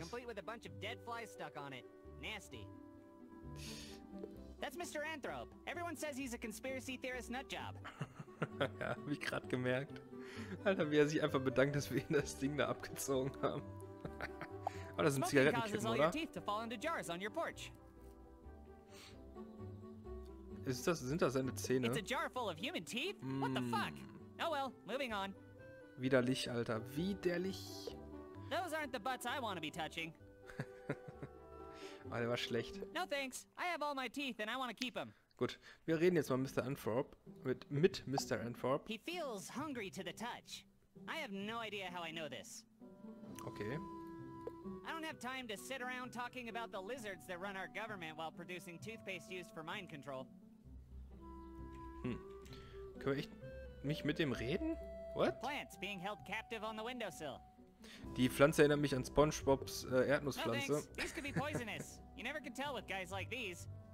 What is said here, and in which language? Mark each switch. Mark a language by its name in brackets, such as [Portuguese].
[English] Complete with a bunch of dead flies stuck on it. Nasty. That's Mr. Anthrope. Everyone says he's a conspiracy theorist nutjob. [German] Ja, hab ich gerade gemerkt. Alter, wie er sich einfach bedankt, dass wir ihn das Ding da abgezogen haben. Oh, das sind Zigarettenkippen, oder? Sind das seine Zähne? [English] It's a jar full of human teeth? What the fuck? Oh well, moving on. [German] Widerlich, Alter. Widerlich. [English] Those aren't the butts I want to be touching. [German] Oh, der war schlecht. [English] No thanks. I have all my teeth and I want to keep them. [German] Gut, wir reden jetzt mal mit Mr. Anthrope. Mit Mr. Anthrope. [English] He feels hungry to the touch. I have no idea how I know this. Okay. I don't have time to sit around talking about the lizards that run our government while producing toothpaste used for mind control. Hm. [German] Können wir echt mich mit dem reden? [English] What? Plants being held captive on the windowsill. [German] Die Pflanze erinnert mich an SpongeBobs Erdnusspflanze. [English] No, these could be poisonous. You never can tell with guys like these.